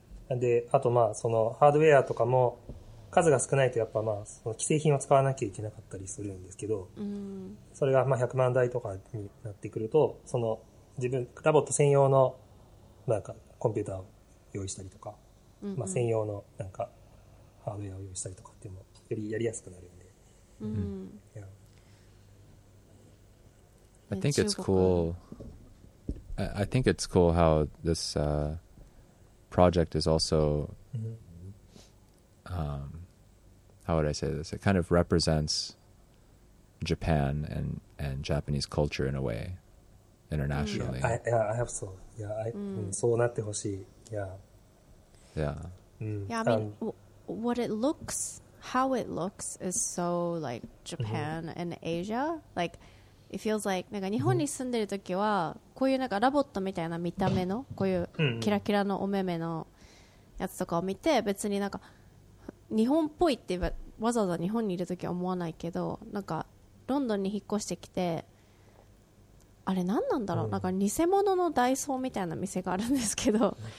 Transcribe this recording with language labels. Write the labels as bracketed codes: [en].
[ja] で、あとまあそのハードウェアとかも数が少ないとやっぱまあその既製品を使わなきゃいけなかったりするんですけど、それがまあ100万台とかになってくると、その自分ラボット専用のなんかコンピューターを用意したりとか、まあ専用のなんかハードウェアを用意したりとかっていうのもやりやすくなるんで。 [en] I think it's cool. I think it's cool how this project is also, how would I say this? It kind of represents Japan and Japanese culture in a way, internationally. I have so. [ja] そうなってほしい。 [en] I mean, what it looks. How it looks is so like Japan and Asia. Like, it feels like [ja] なんか日本に住んでる時はこういうなんかラボットみたいな見た目のこういうキラキラのお目目のやつとかを見て、別になんか日本っぽいってわざわざ日本にいる時は思わないけど、なんかロンドンに引っ越してきて、あれ何なんだろう、なんか偽物のダイソーみたいな店があるんですけど。